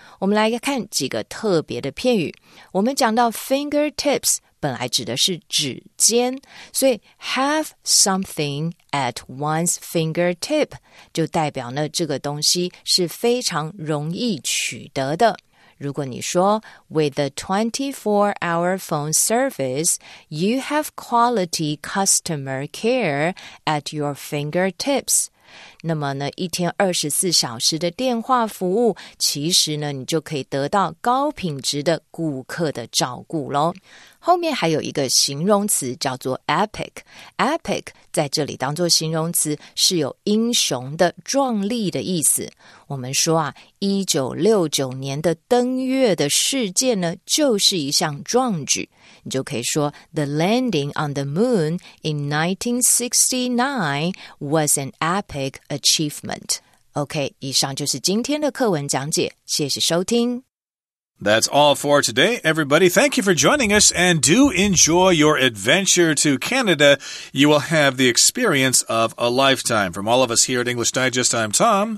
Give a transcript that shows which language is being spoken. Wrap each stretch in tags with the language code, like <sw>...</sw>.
<zh>我们来看几个特别的片语，我们讲到 fingertips,本来指的是指尖，所以</zh> <en>have something at one's fingertip,</en> <zh>就代表呢这个东西是非常容易取得的。如果你说</zh> <en>with a 24-hour phone service, you have quality customer care at your fingertips.</en> <zh>那么呢，一天24小时的电话服务，其实呢，你就可以得到高品质的顾客的照顾咯。后面还有一个形容词叫做 epic。epic 在这里当作形容词是有英雄的壮丽的意思。我们说啊 ,1969 年的登月的事件呢就是一项壮举。你就可以说</zh> <en>The landing on the moon in 1969 was an epic achievement.</en> <zh>OK, 以上就是今天的课文讲解。谢谢收听。</zh> <en>That's all for today, everybody. Thank you for joining us, and do enjoy your adventure to Canada. You will have the experience of a lifetime. From all of us here at English Digest, I'm Tom.</en>